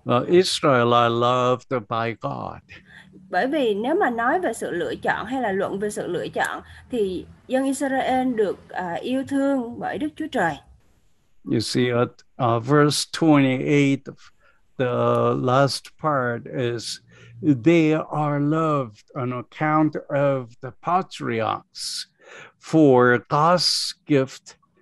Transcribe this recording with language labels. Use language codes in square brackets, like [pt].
[en] Well, Israel are loved by God. [vi] Bởi vì nếu mà nói về sự lựa chọn hay là luận về sự lựa chọn thì dân Israel được yêu thương bởi Đức Chúa Trời. [en] You see at verse 28, the last part is they are loved on account of the patriarchs for God's gift.